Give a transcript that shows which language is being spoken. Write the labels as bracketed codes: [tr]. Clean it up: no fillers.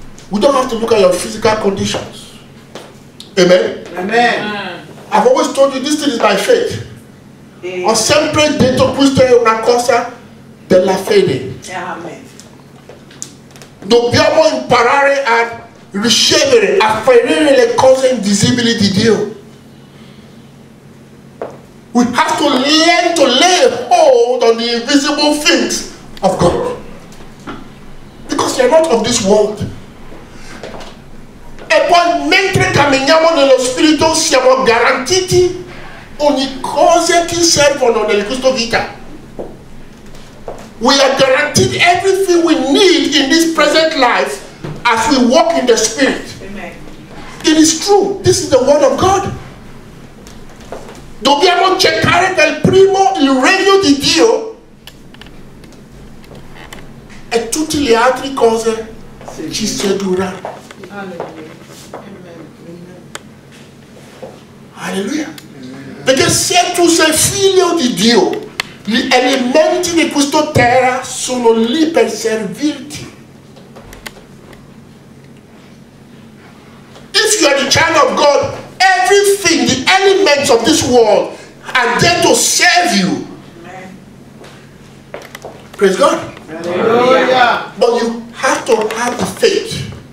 [en] We don't have to look at your physical conditions. Amen. Amen. I've always told you this thing is by faith. [it] Ho sempre detto questo è una cosa della fede. Amen. Dobbiamo imparare a ricevere, a ferire le cose invisibili di Dio. [en] We have to learn to lay hold on the invisible things of God. Because you're not of this world. [it] E poi mentre camminiamo nello spirito siamo garantiti ogni cosa che servono nel questo vita. [en] We are guaranteed everything we need in this present life as we walk in the spirit. Amen. It is true. This is the word of God. [it] Dobbiamo cercare per primo il regno di Dio e tutte le altre cose ci seguiranno. Alleluia. Perché se tu sei figlio di Dio, gli elementi di questa terra sono lì per servirti. [en] If you are the child of God, everything, the elements of this world are there to serve you. Praise God. Hallelujah. But you have to have the faith.